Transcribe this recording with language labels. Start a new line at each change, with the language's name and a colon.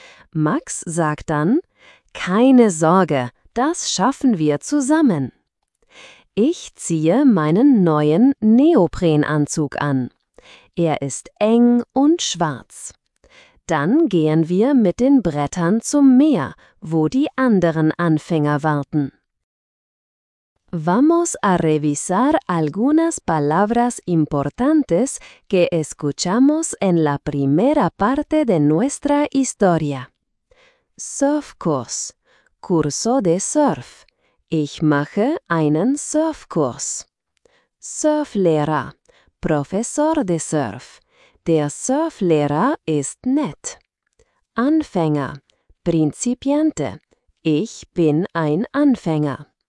German: Max sagt dann, keine Sorge, das schaffen wir zusammen. Ich ziehe meinen neuen Neoprenanzug an. Er ist eng und schwarz. Dann gehen wir mit den Brettern zum Meer, wo die anderen Anfänger warten.
Spanish: Vamos a revisar algunas palabras importantes que escuchamos en la primera parte de nuestra historia. Surfkurs, curso de surf.
German: Ich mache einen Surfkurs. Surflehrer,
Spanish: Professor de surf.
German: Der Surflehrer ist nett. Anfänger, Principiante. Ich bin ein Anfänger.